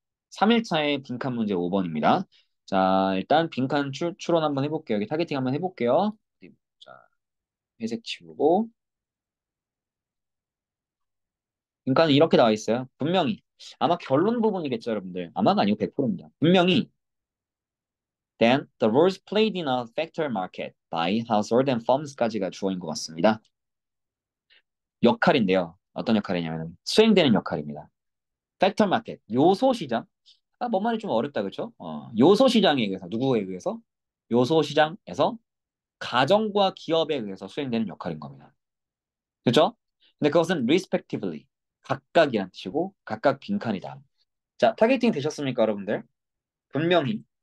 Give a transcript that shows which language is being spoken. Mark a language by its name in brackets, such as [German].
[Korean] 3일차의 빈칸 문제 5번입니다. 자, 일단 빈칸 추론 한번 해볼게요. 여기 타겟팅 한번 해볼게요. 회색 치우고. 빈칸은 이렇게 나와 있어요. 분명히. 아마 결론 부분이겠죠, 여러분들. 아마가 아니고 100%입니다. 분명히. [English] Then the rules played in a factor market by household and firms [Korean] 까지가 주어인 것 같습니다. 역할인데요. 어떤 역할이냐면 수행되는 역할입니다. [English] Factor market, 요소시장. [Korean] 아, 뭔 말이 좀 어렵다, 그렇죠? 요소시장에 의해서, 누구에 의해서? 요소시장에서 가정과 기업에 의해서 수행되는 역할인 겁니다. 그렇죠? 근데 그것은 respectively, 각각이란 뜻이고, 각각 빈칸이다. 자, 타겟팅 되셨습니까, 여러분들? 분명히.